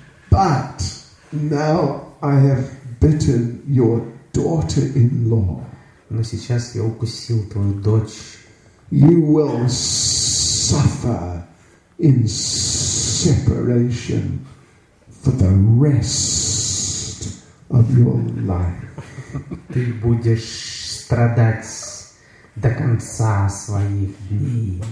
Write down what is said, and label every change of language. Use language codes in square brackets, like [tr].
[en] But now I have bitten your daughter-in-law. [ru] Но сейчас я укусил твою дочь. [en] You will suffer in separation for the rest of your life. [ru] Ты будешь страдать до конца своих дней.